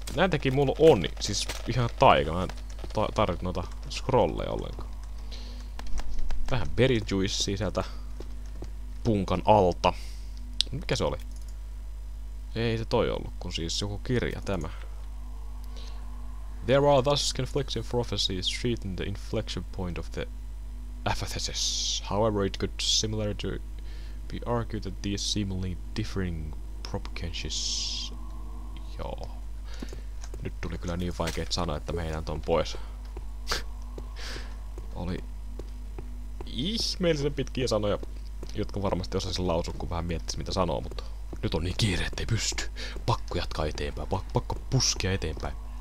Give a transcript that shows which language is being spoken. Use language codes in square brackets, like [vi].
[fi] Näitäkin mulla on, niin siis ihan taika. Mä en tarvit noita scrolleja ollenkaan. Vähän berry juicea sieltä... ...punkan alta. Mikä se oli? Ei se toi ollut, kun siis joku kirja, tämä. [en] There are thus conflicting prophecies treating the inflection point of the apothesis. However, it could similarly be argued that these seemingly differing propagations... [fi] Joo. Nyt tuli kyllä niin vaikeet sanoa, että meidän ton pois. Oli... ihmeellisen pitkiä sanoja, jotka varmasti osaisin lausua, kun vähän miettisi mitä sanoo, mutta... Nyt on niin kiire, ettei pysty. Pakko jatkaa eteenpäin. Pakko puskea eteenpäin.